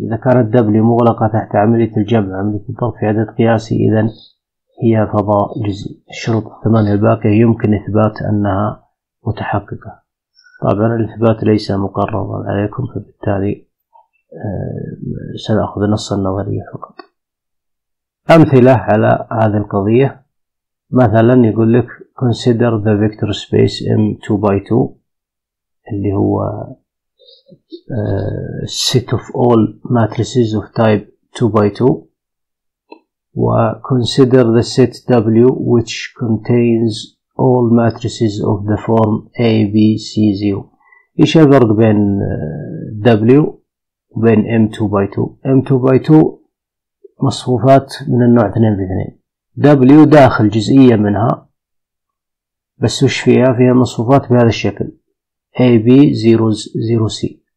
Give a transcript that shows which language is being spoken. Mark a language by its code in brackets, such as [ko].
[ar] إذا كانت W مغلقة تحت عملية الجمع وعملية الضرب في عدد قياسي إذن هي فضاء جزئي، الشروط الثمانية الباقية يمكن إثبات أنها متحققة. طبعا الإثبات ليس مقررا عليكم، فبالتالي سنأخذ نص النظرية فقط. أمثلة على هذه القضية، مثلا يقول لك [en] consider the vector space M2x2 [ar] اللي هو [en] set of all matrices of type 2x2 و consider the set W which contains all matrices of the form A, B, C, 0. [ar] إيش الفرق بين W وبين M2x2؟ M2x2 مصفوفات من النوع 2x2، W داخل جزئية منها بس وش فيها؟ فيها مصفوفات بهذا الشكل A, B, 0, 0, C.